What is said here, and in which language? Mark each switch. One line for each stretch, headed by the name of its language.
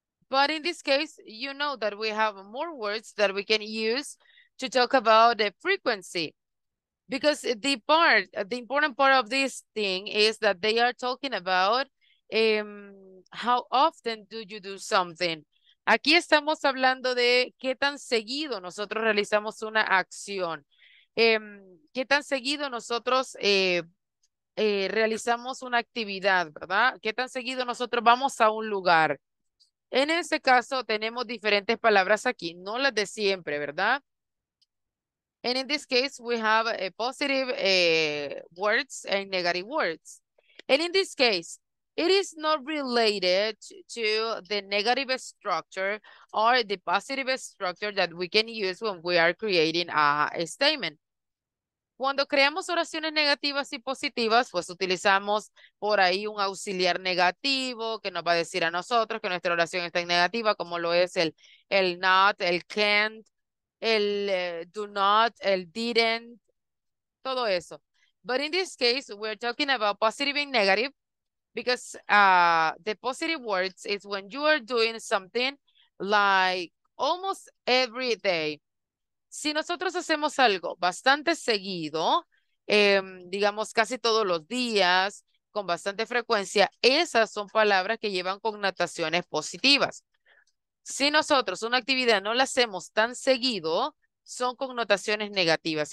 English: But in this case, you know that we have more words that we can use to talk about the frequency. Because the important part of this thing is that they are talking about how often do you do something.
Spanish: Aquí estamos hablando de qué tan seguido nosotros realizamos una acción. Qué tan seguido nosotros... realizamos una actividad, ¿verdad? ¿Qué tan seguido nosotros vamos a un lugar? En ese caso, tenemos diferentes palabras aquí, no las de siempre, ¿verdad?
English: And in this case, we have positive words and negative words. And in this case, it is not related to the negative structure or the positive structure that we can use when we are creating a statement.
Spanish: Cuando creamos oraciones negativas y positivas, pues utilizamos por ahí un auxiliar negativo que nos va a decir a nosotros que nuestra oración está en negativa, como lo es el not, el can't, el do not, el didn't, todo eso.
English: But in this case, we're talking about positive and negative because the positive words is when you are doing something like almost every day.
Spanish: Si nosotros hacemos algo bastante seguido, digamos casi todos los días, con bastante frecuencia, esas son palabras que llevan connotaciones positivas. Si nosotros una actividad no la hacemos tan seguido, son connotaciones negativas.